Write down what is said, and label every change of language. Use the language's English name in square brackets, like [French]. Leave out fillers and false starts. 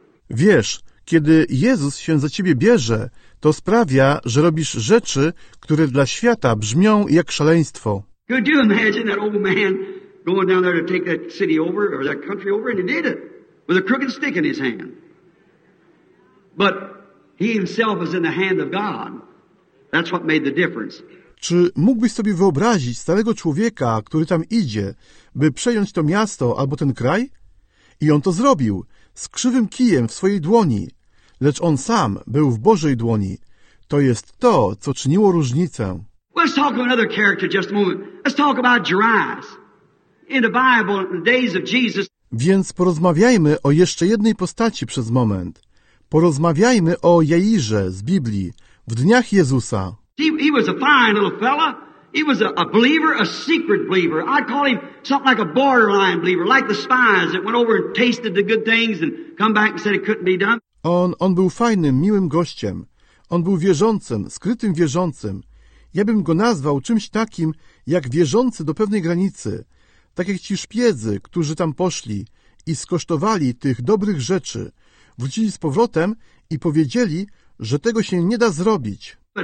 [Polish] Wiesz, kiedy Jezus się za ciebie bierze, to sprawia, że robisz rzeczy, które dla świata brzmią jak szaleństwo. [English] Could you imagine that old man going down there to take that city over or that country over, and he did it with a crooked stick in his hand. But he himself is in the hand of God. That's what made the difference. [Polish] Czy mógłbyś sobie wyobrazić starego człowieka, który tam idzie, by przejąć to miasto albo ten kraj? I on to zrobił, z krzywym kijem w swojej dłoni. Lecz on sam był w Bożej dłoni. To jest to, co czyniło różnicę. [English] Let's talk about another character just a moment. Let's talk about Jairus. In the Bible, in the days of Jesus. [Polish] Więc porozmawiajmy o jeszcze jednej postaci przez moment. Porozmawiajmy o Jairze z Biblii, w dniach Jezusa. [English] He was a fine little fella. He was a believer, a secret believer. I call him something like a borderline believer, like the spies that went over and tasted the good things and come back and said it couldn't be done. [Polish] On był fajnym, miłym gościem. On był wierzącym, skrytym wierzącym. Ja bym go nazwał czymś takim, jak wierzący do pewnej granicy. Tak jak ci szpiedzy, którzy tam poszli i skosztowali tych dobrych rzeczy. Wrócili z powrotem i powiedzieli, że tego się nie da zrobić.